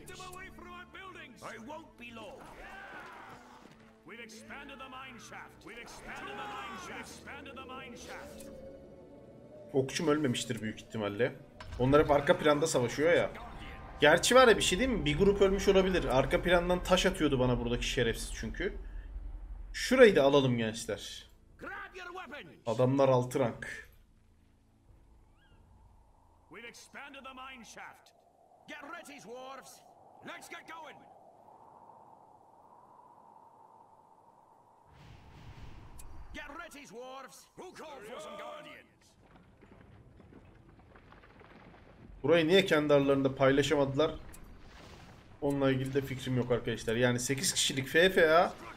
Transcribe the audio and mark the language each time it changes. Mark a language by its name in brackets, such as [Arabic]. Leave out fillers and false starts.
[English] Get them away from our buildings. I won't be long. We've expanded the mine shaft. We've expanded the mine shaft. Expanded the mine shaft. [Turkish] Okçum ölmemiştir büyük ihtimalle. Onlar hep arka planda savaşıyor ya. Gerçi var ya bir şey değil mi? Bir grup ölmüş olabilir. Arka plandan taş atıyordu bana buradaki şerefsiz çünkü. Şurayı da alalım gençler. Adamlar 6 rank. [English] We've expanded the mine shaft. Get ready, dwarves. Let's get going. Get ready, dwarves. Who called for some guardians? [Turkish] Burayı niye kendi aralarında paylaşamadılar? Onunla ilgili de fikrim yok arkadaşlar. Yani 8 kişilik FFA.